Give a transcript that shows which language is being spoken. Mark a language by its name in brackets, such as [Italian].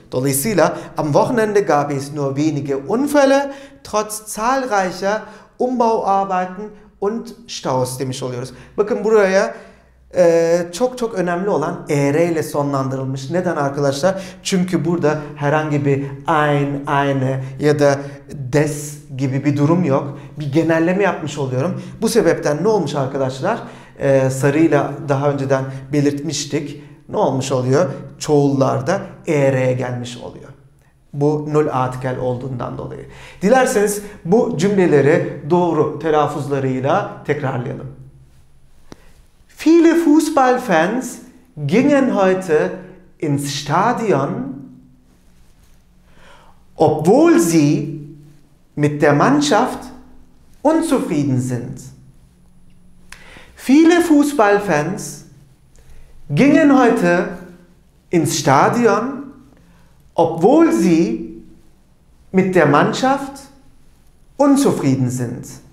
[Turkish] Dolayısıyla [German] am Wochenende gab es nur wenige Unfälle trotz zahlreicher Umbauarbeiten und Staus [Turkish] demiş oluyoruz. Bakın buraya çok çok önemli olan ere ile sonlandırılmış. Neden arkadaşlar? Çünkü burada herhangi bir eine ya da des gibi bir durum yok. Bir genelleme yapmış oluyorum. Bu sebepten ne olmuş arkadaşlar? sarıyla daha önceden belirtmiştik. Ne olmuş oluyor? Çoğullarda ere'ye gelmiş oluyor. Bu nul atikel olduğundan dolayı. Dilerseniz bu cümleleri doğru telaffuzlarıyla tekrarlayalım. [German] Viele Fußballfans gingen heute ins Stadion, obwohl sie mit der Mannschaft unzufrieden sind. Viele Fußballfans gingen heute ins Stadion, obwohl sie mit der Mannschaft unzufrieden sind.